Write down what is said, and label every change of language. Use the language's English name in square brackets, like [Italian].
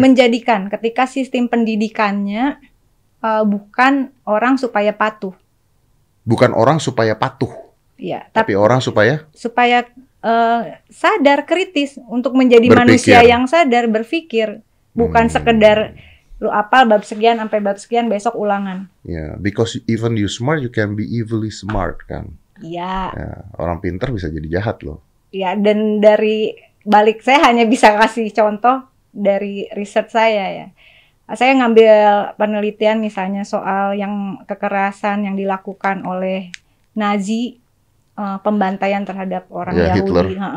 [Indonesian] Menjadikan ketika sistem pendidikannya bukan orang supaya patuh. Bukan orang supaya patuh. Ya, tapi orang supaya? Supaya sadar, kritis. Untuk menjadi berpikir. Manusia yang sadar, berpikir. Bukan sekedar lu apal bab sekian sampai bab sekian, besok ulangan. [English] Ya, yeah, because even you smart, you can be evilly smart, kan? Iya. [Indonesian] Ya, orang pintar bisa jadi jahat, loh. Ya, dan dari balik, saya hanya bisa kasih contoh dari riset saya, ya. Saya ngambil penelitian misalnya soal yang kekerasan yang dilakukan oleh Nazi, pembantaian terhadap orang Yahudi.